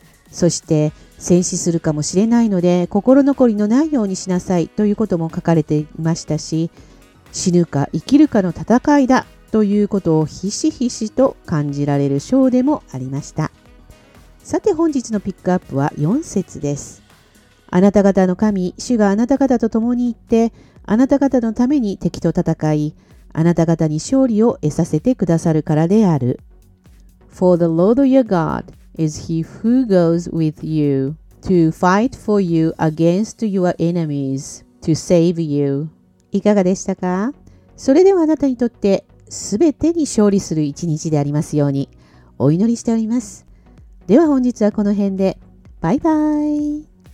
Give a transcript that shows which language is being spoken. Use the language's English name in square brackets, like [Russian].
[Japanese] そして戦死するかもしれないので心残りのないようにしなさいということも書かれていましたし、死ぬか生きるかの戦いだということをひしひしと感じられる章でもありました。さて本日のピックアップは4節です。あなた方の神主があなた方と共に行って、あなた方のために敵と戦い、あなた方に勝利を得させてくださるからである。 [English] For the Lord your GodIs he who goes with you to fight for you against your enemies to save you. [Japanese] いかがでしたか？それではあなたにとって全てに勝利する一日でありますようにお祈りしております。では本日はこの辺で。バイバイ。